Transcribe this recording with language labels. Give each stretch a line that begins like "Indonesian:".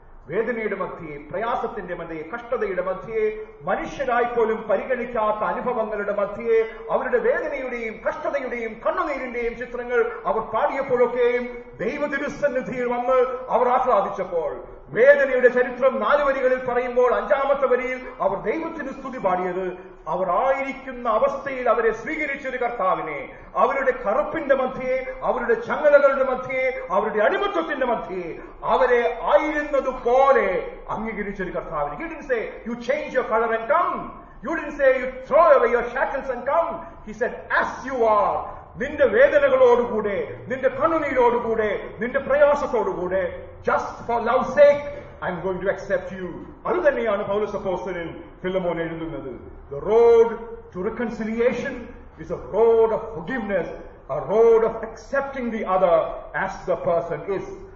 Malayalam: വേദനയുടെ മധ്യയെ, പ്രയാസത്തിന്റെ മധ്യയെ, കഷ്ടതയുടെ മധ്യയെ, മനുഷ്യരായിപ്പോലും പരിഗണിക്കാത്ത അനുഭവങ്ങളുടെ മധ്യയെ, അവരുടെ വേദനയുടെയും കഷ്ടതയുടെയും കണ്ണുനീരിന്റെയും ചിത്രങ്ങൾ അവർ പാടിയപ്പോഴൊക്കെയും ദൈവതിരുസന്നിധിയിൽ വന്ന് അവർ ആസ്വാദിച്ചപ്പോൾ, വേദനയുടെ ചരിത്രം നാല് വരികളിൽ പറയുമ്പോൾ അഞ്ചാമത്തെ വരിയിൽ അവർ ദൈവത്തിന് സ്തുതി പാടിയത്, അവർ ആയിരിക്കുന്ന അവസ്ഥയിൽ അവരെ സ്വീകരിച്ചൊരു കർത്താവിനെ, അവരുടെ കറുപ്പിന്റെ മധ്യയെ, അവരുടെ ചങ്ങലകളുടെ മധ്യയെ, അവരുടെ അടിമത്വത്തിന്റെ മധ്യയെ, അവരെ ആയിരുന്നതുപോലെ അംഗീകരിച്ചൊരു കർത്താവിനെ.
English: He didn't say, you change your color and come. You didn't say, you throw away your shackles and come. He said, as you are,
Malayalam: നിന്റെ വേദനകളോടുകൂടെ, നിന്റെ കണ്ണുനീരോടുകൂടെ, നിന്റെ പ്രയാസത്തോടുകൂടെ,
English: just for love's sake, I'm going to accept you.
Malayalam: അത് തന്നെയാണ് പൗലോസ് അപ്പോസ്തലൻ ഫിലമോൻ എഴുതുന്നത്.
English: The road to reconciliation is a road of forgiveness, a road of accepting the other as the person is.